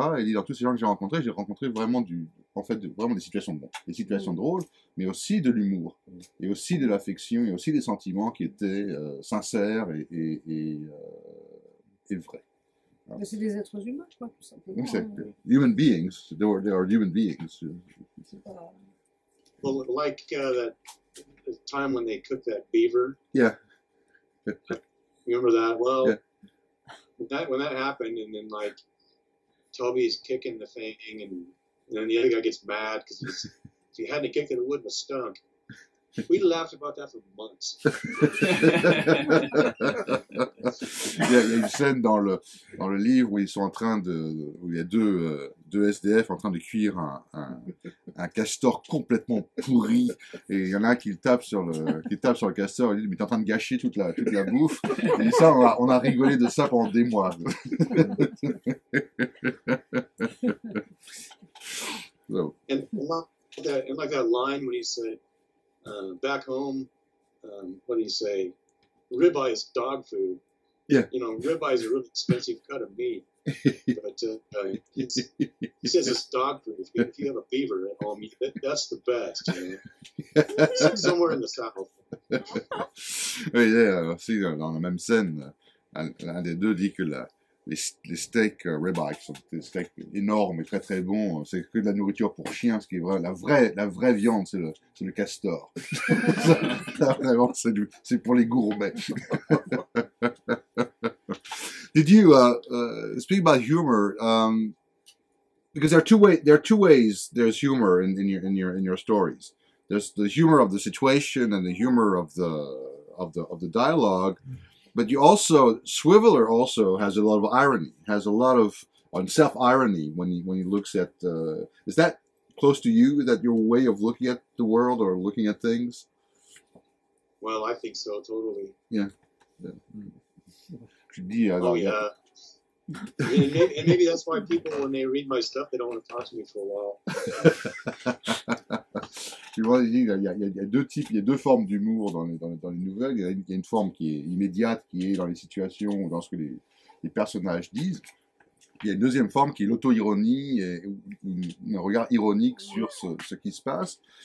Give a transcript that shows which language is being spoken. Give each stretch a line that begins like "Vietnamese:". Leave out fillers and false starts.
French: Et dans tous ces gens que j'ai rencontré vraiment des situations drôles, mais aussi de l'humour, et aussi de l'affection, et aussi des sentiments qui étaient sincères et vrais. Alors, c'est des êtres humains, je crois, tout simplement.
English: Exactly. Human beings. They are human beings.
French: C'est pas...
English: Well, like that time when they cooked that beaver. Yeah. Remember that? Well, when that happened, and then like Toby's kicking the thing, and then the other guy gets mad because he hadn't kicked it, it wouldn't have stunk. We laughed about that for months.
French: Il y a une scène dans le livre où ils sont en train de, où il y a deux SDF en train de cuire un castor complètement pourri, et il y en a un qui tape sur le castor et dit: mais t'es en train de gâcher toute la bouffe. Et ça, on a rigolé de ça pendant des mois.
English: So. And like that line when he said back home, what do you say, ribeye is dog food. Yeah. You know, ribeye is a really expensive cut of meat. But he says it's dog food. If you have a beaver at home, that's the best. You know? Somewhere in the south.
French: Oui, aussi dans la même scène, l'un des deux dit que les steaks ribeye sont des steaks énormes et très très bons. C'est que de la nourriture pour chien, ce qui est vrai. La vraie viande, c'est le castor. Vraiment, c'est pour les gourmets.
English: Did you speak about humor? Because there are two ways. There's humor in your stories. There's the humor of the situation and the humor of the dialogue. But you also, Swiveller also has a lot of irony, has a lot of self-irony when he looks at, is that close to you, that your way of looking at the world or looking at things? Well, I think so, totally. Yeah. Yeah. Yeah. Oh, yeah. and maybe that's why people, when they read my stuff, they don't want to talk to me for a while.
French: Tu vois, il y a deux formes d'humour dans les nouvelles. Il y a une forme qui est immédiate, qui est dans les situations, dans ce que les personnages disent. Il y a une deuxième forme qui est l'auto-ironie, un regard ironique sur ce qui se passe.